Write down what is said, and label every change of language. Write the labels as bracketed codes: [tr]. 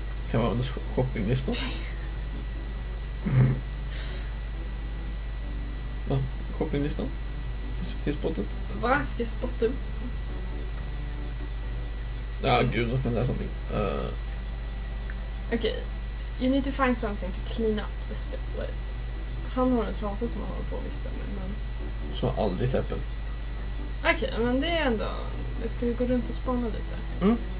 [sv] Kan vara under shoppinglistan. Va? Shoppinglistan? Till spottet? Vad ska jag spotta upp? Ja, gud, jag ska läsa någonting. Okej. Okay. [en] You need to find something to clean up the spillet. [sv] Han har en trasa som han håller på att vifta med, men... Som har aldrig släppt. Okej, okay, men det är ändå... Ska vi gå runt och spana lite? Mm.